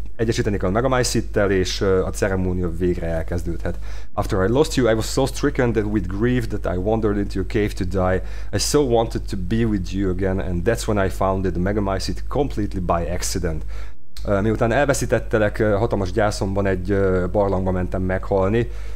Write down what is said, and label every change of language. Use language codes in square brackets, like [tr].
[hu] Egyesíteni kell a megamycid-tel, és a ceremónia végre elkezdődhet. [en] After I lost you, I was so stricken with grief that I wandered into your cave to die. I so wanted to be with you again, and that's when I found the megamycid completely by accident. [hu] Miután elveszítettelek, hatalmas gyászomban egy barlangba mentem meghalni.